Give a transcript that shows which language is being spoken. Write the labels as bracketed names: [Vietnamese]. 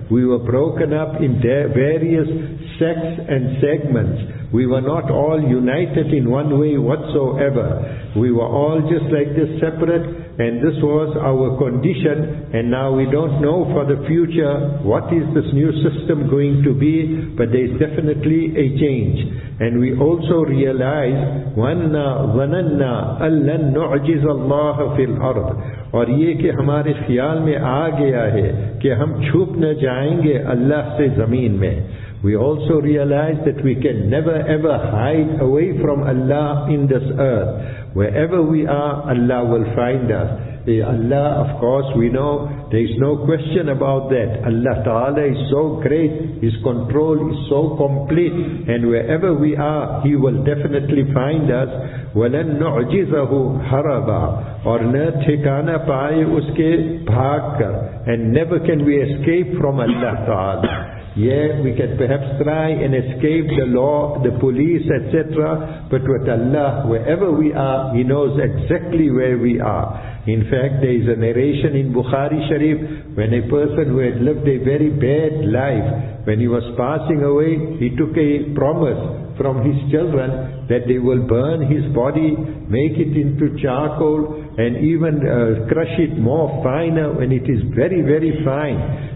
[English] We were broken up in various sects and segments. We were not all united in one way whatsoever. We were all just like this, separate, and this was our condition. And now we don't know for the future what is this new system going to be, but there is definitely a change. And we also realize, [Arabic] وَنَّا أَلَّن نُعْجِزَ اللَّهَ فِي الْأَرْضِ. [Urdu] اور یہ کہ ہمارے خیال میں آ گیا ہے کہ ہم چھپ نہ جائیں گے اللہ سے زمین میں. [English] We also realize that we can never ever hide away from Allah in this earth. Wherever we are, Allah will find us. Allah, of course, we know, there is no question about that. Allah Ta'ala is so great, His control is so complete, and wherever we are, He will definitely find us. [Arabic] وَلَن نُعْجِزَهُ هَرَبًا. [Urdu] اور نہ ٹھکانہ پائے اس کے بھاگ کر. [English] And never can we escape from Allah Ta'ala. Yeah, we can perhaps try and escape the law, the police, etc. But with Allah, wherever we are, He knows exactly where we are. In fact, there is a narration in Bukhari Sharif, when a person who had lived a very bad life, when he was passing away, he took a promise from his children that they will burn his body, make it into charcoal, and even crush it more finer when it is very, very fine.